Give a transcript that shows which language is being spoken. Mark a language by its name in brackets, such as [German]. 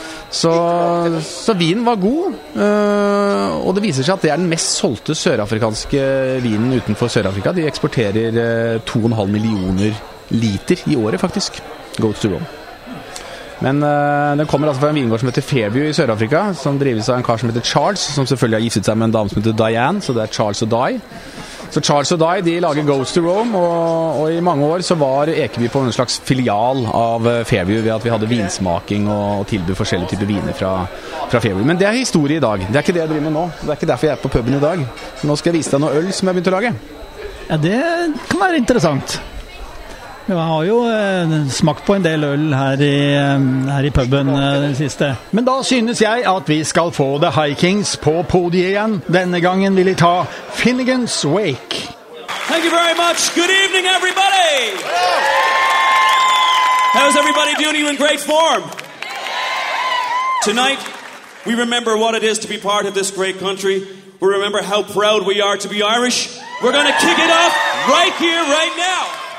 [Swedish] Så vinen var god och det visar sig att det är den mest sålde sydafrikanska vinen utanför Sydafrika. De exporterar 2,5 miljoner liter I året faktiskt. Goes to Rome. Men den kommer alltså från en vingård som heter Fairview I Sydafrika som drivs av en kar som heter Charles som självklart har gift sig med en dam som heter Diane så det är Charles och Di. [Norwegian] Så Charles og Di, de lager Ghost to Rome, og I mange år så var Ekeby på en slags filial av Fairview ved at vi hadde vinsmaking og tilbud forskjellige typer viner fra Fairview. Men det historie I dag. Det ikke det jeg driver med nå. Det ikke derfor jeg på puben I dag. Nå skal jeg vise deg noe øl som jeg begynte å lage. Ja, det kan være interessant. Vi har jo smakt på en del øl her i puben den siste. Men da synes jeg at vi skal få The Hikings på podiet igjen. Denne gangen vil jeg ta Finnegan's Wake. [English] Thank you very much. Good evening, everybody. How's everybody doing? You in great form? Tonight, we remember what it is to be part of this great country. We remember how proud we are to be Irish. We're going to kick it off right here, right now.